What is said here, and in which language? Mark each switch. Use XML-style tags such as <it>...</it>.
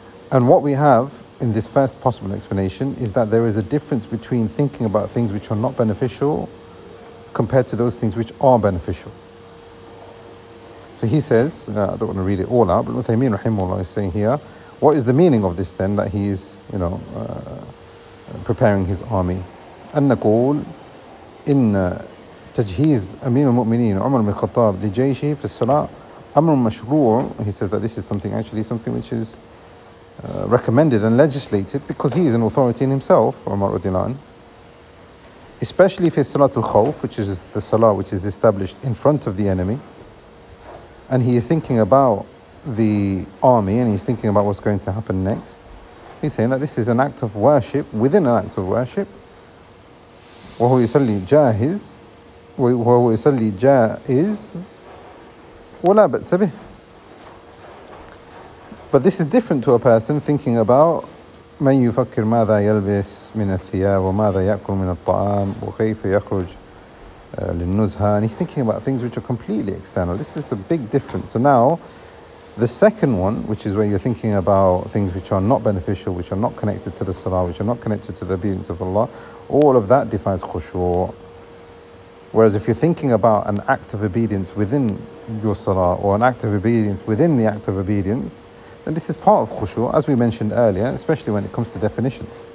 <en>And what we have in this first possible explanation is that there is a difference between thinking about things which are not beneficial compared to those things which are beneficial. So he says, I don't want to read it all out, but Ibn Uthaymeen rahimahullah is saying here, What is the meaning of this then, that he is, you know, preparing his army?</en> <ar>أنقول إن تجهيز أمير المؤمنين عمر بن الخطاب لجيشه في الصلاة أمر مشروع.</ar> <en>He says that this is something which is recommended and legislated because he is an authority in himself, عمر</en> <ar>رضي الله عنه.</ar> <en>Especially</en> <ar>في صلاة الخوف,</ar> <en>which is the salah which is established in front of the enemy, and he is thinking about the army and he's thinking about what's going to happen next. He's saying that this is an act of worship within an act of worship.</en> <ar>وهو يصلي جاهز وهو يصلي جاهز ولا بأس به.</ar> <en>But this is different to a person thinking about</en> <ar>من يفكر ماذا يلبس من الثياب وماذا يأكل من الطعام وكيف يخرج للنزهة.</ar> <en>And he's thinking about things which are completely external. This is a big difference. So now, the second one, which is where you're thinking about things which are not beneficial, which are not connected to the salah, which are not connected to the obedience of Allah, all of that defies khushu'. Whereas if you're thinking about an act of obedience within your salah, or an act of obedience within the act of obedience, then this is part of khushu', as we mentioned earlier, especially when it comes to definitions.</en>